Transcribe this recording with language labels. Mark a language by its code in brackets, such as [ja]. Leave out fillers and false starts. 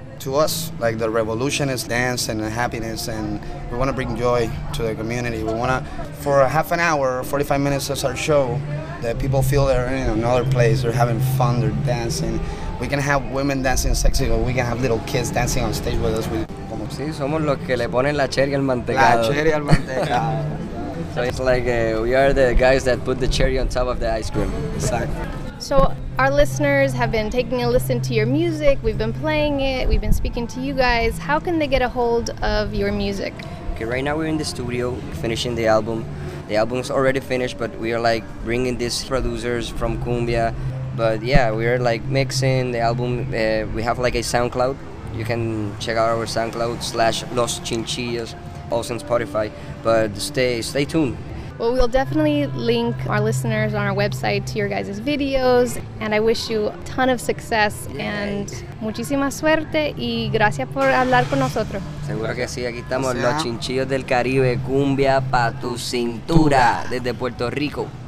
[en] To us, like the revolution is dance and happiness, and we want to bring joy to the community. We want to, for a half an hour, 45 minutes as our show, that people feel they're in another place, they're having fun, they're dancing. We can have women dancing sexy, but we can have little kids dancing on stage with us. [es] Sí, somos los que le ponen la cherry al mantecado. La cherry al mantecado. [en] So it's like we are the guys that put the cherry on top of the ice cream. Exactly. So our listeners have been taking a listen to your music, we've been playing it, we've been speaking to you guys. How can they get a hold of your music? Okay, right now we're in the studio finishing the album. The album's already finished, but we are like bringing these producers from Cumbia. But yeah, we are like mixing the album. We have like a SoundCloud. You can check out our SoundCloud /Los Chinchillos, also on Spotify. But stay tuned. Well, we'll definitely link our listeners on our website to your guys' videos, and I wish you a ton of success. [es] Yay. And muchísima suerte y gracias por hablar con nosotros. Seguro que sí, aquí estamos, o sea, los Chinchillos del Caribe, cumbia pa tu cintura, desde Puerto Rico.